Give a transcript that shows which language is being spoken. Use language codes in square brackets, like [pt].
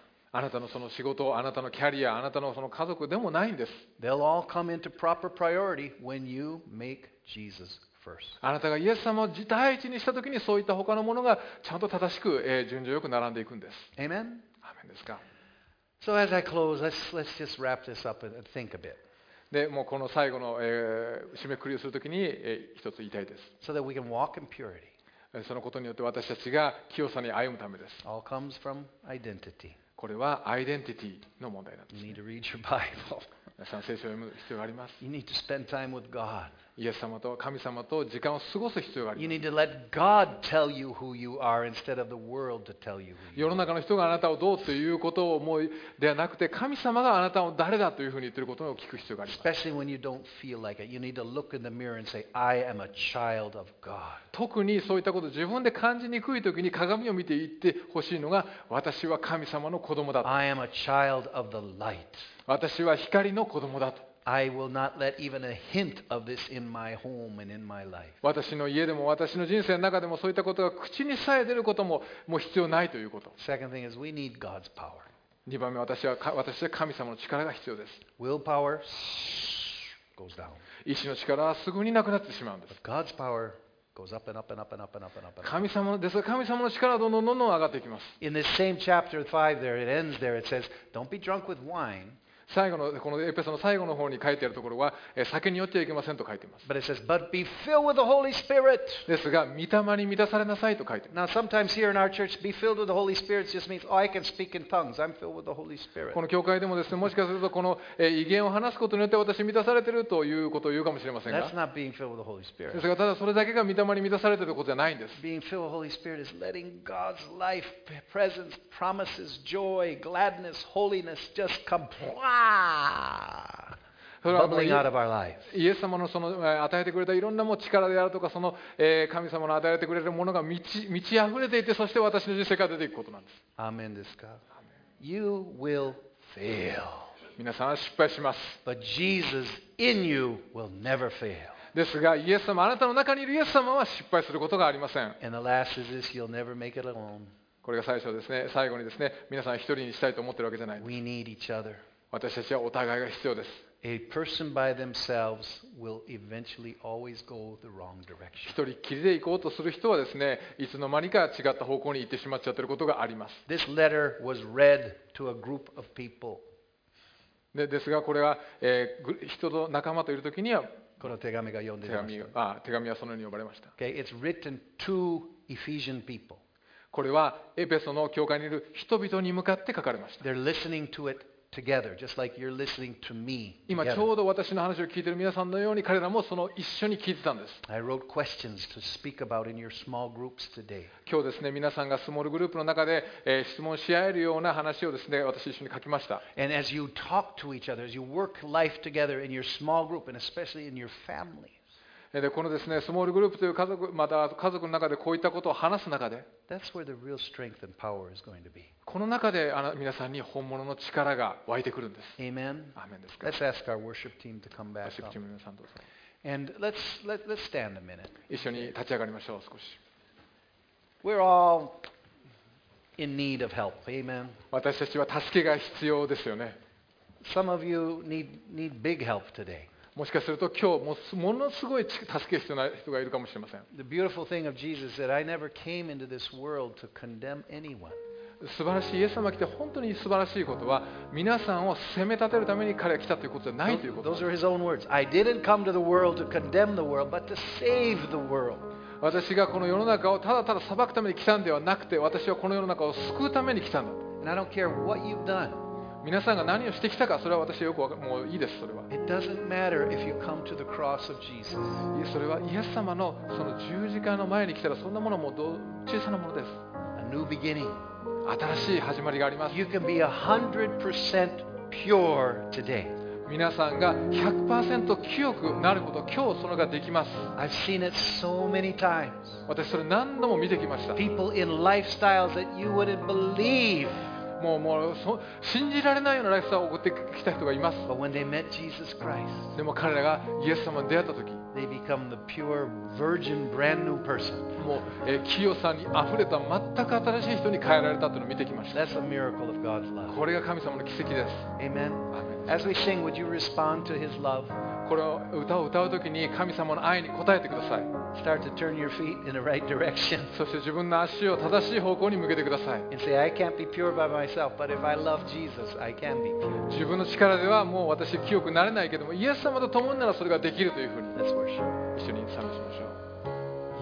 [ja] あなたのその仕事、あなたのキャリア、あなたのその家族でもないんです。 [en] They'll all come into proper priority when you make Jesus first. [ja] あなたがイエス様を第一にしたときに、そういった他のものがちゃんと正しく順序よく並んでいくんです。 [en] Amen. [ja] アーメンですか。 [en] So as I close, let's just wrap this up and think a bit. [ja] で、もうこの最後の締めくくりをするときに一つ言いたいです。 [en] So that we can walk in purity. [ja] そのことによって私たちが清さに歩むためです。 [en] All comes from identity. [ja] これはアイデンティティの問題なんです、ね。皆さん聖書を読む必要があります。 [en] You need to spend time with God. [ja] イエス様と神様と時間を過ごす必要があります。 [en] You need to let God tell you who you are instead of the world to tell you who you are. [ja] 世の中の人があなたをどうということを思いではなくて、神様があなたを誰だというふうに言っていることを聞く必要があります。 [en] Especially when you don't feel like it, you need to look in the mirror and say, "I am a child of God." [ja] 特にそういったことを自分で感じにくいときに鏡を見て言ってほしいのが、私は神様の子供だと。 [en] I am a child of the light. [ja] 私は光の子供だと。 [en] I will not let even a hint of this in my home and in my life. [ja] 私の家でも私の人生の中でもそういったことが口にさえ出ることももう必要ないということ。 [en] Second thing is we need God's power. [ja] 二番目、私は神様の力が必要です。 [en] Willpower goes down. [ja] 意志の力はすぐになくなってしまうんです。 [en] But God's power goes up and up and up and up and up and up. [ja] 神様のですが神様の力はどんどんどんどん上がっていきます。 [en] In the same chapter 5 there it ends there it says don't be drunk with wine. [ja] 最後のこのエペソの最後の方に書いてあるところは酒に酔ってはいけませんと書いています。 [en] But it says, but be filled with the Holy Spirit. [ja] ですが御霊に満たされなさいと書いてます。 [en] Now sometimes here in our church, be filled with the Holy Spirit just means, oh, I can speak in tongues. I'm filled with the Holy Spirit. [ja] この教会でもですね、もしかするとこの異言を話すことによって私満たされているということを言うかもしれませんが、 [en] That's not being filled with the Holy Spirit. [ja] ですがただそれだけが御霊に満たされていることじゃないんです。 [en] Being filled with the Holy Spirit is letting God's life, presence, promises, joy, gladness, holiness just come fly. Bubbling out of our lives. [ja] イエス様のその与えてくれたいろんなも力であるとかその神様の与えてくれるものが満ち溢れていてそして私の人生から出ていくことなんです。アーメンですか。 [en] you will fail. [ja] 皆さんは失敗します。 [en] But Jesus in you will never fail. [ja] ですが、イエス様、あなたの中にいるイエス様は失敗することがありません。 [en] And the last is this, you'll never make it alone. [ja] これが最初ですね。最後にですね、皆さん一人にしたいと思ってるわけじゃない。 [en] We need each other. [ja] 私たちはお互いが必要です。 [en] A person by themselves will eventually always go the wrong direction. [ja] 一人きりで行こうとする人はですね、いつの間にか違った方向に行ってしまっちゃってることがあります。 [en] This letter was read to a group of people. [ja] ですがこれが、人と仲間といるときにはこの手紙が読んでいました。手紙はそのように呼ばれました。 [en] Okay, it's written to Ephesian people. [ja] これはエペソの教会にいる人々に向かって書かれました。 [en] They're listening to it. Together, just like you're listening to me. [ja] 今ちょうど私の話を聞いている皆さんのように彼らもその一緒に聞いてたんです。 [en] I wrote questions to speak about in your small groups today. [ja] 今日ですね、皆さんがスモールグループの中で、質問し合えるような話をですね、私一緒に書きました。 [en] And as you talk to each other, as you work life together in your small group and especially in your family. [ja] でこのですね、スモールグループという家族、また家族の中でこういったことを話す中で、 [en] That's where the real strength and power is going to be. [ja] この中で皆さんに本物の力が湧いてくるんです。 [en] Amen. [ja] アーメンですか。 [en] Let's ask our worship team to come back up. [ja] ワーシップチームの皆さんどうぞ。 [en] And let's stand a minute. [ja] 一緒に立ち上がりましょう、少し。 [en] We're all in need of help. Amen. [ja] 私たちは助けが必要ですよね。 [en] Some of you need big help today. [ja] もしかすると今日ものすごい助け必要な人がいるかもしれません。 [en] The beautiful thing of Jesus is that I never came into this world to condemn anyone. [ja] 素晴らしいイエス様が来て本当に素晴らしいことは皆さんを責め立てるために彼が来たということじゃないということ。 [en] Those are his own words. I didn't come to the world to condemn the world, but to save the world. [ja] 私がこの世の中をただただ裁くために来たんではなくて、私はこの世の中を救うために来たんだ。 [en] And I don't care what you've done. [ja] 皆さんが何をしてきたか、それは私はよくわかる。もういいです、それは。 [en] It doesn't matter if you come to the cross of Jesus. [ja] それはイエス様のその十字架の前に来たら、そんなものも小さなものです。 [en] A new beginning. [ja] 新しい始まりがあります。 [en] You can be 100% pure today. [ja] 皆さんが 100% 清くなること、今日それができます。 [en] I've seen it so many times. [ja] 私それ何度も見てきました。 [en] People in lifestyles that you wouldn't believe. [ja] もう信じられないようなライフスタイルを送ってきた人がいます。 [en] But when they met Jesus Christ, [ja] でも彼らがイエス様に出会った時、 [en] they become the pure virgin brand new person. [ja] もう清さにあふれた全く新しい人に変えられたというのを見てきました。 [en] That's a miracle of God's love. [ja] これが神様の奇跡です。 [en] Amen. As we sing, would you respond to His love? [ja] これを歌を歌う時に神様の愛に応えてください。 [en] Start to turn your feet in the right direction. [ja] そして自分の足を正しい方向に向けてください。 [en] And say, I can't be pure by myself, but if I love Jesus, I can be pure. [ja] 自分の力ではもう私清くなれないけども、イエス様と共にならそれができるというふうに。 [en] Let's worship. [ja] 一緒に賛美しましょう。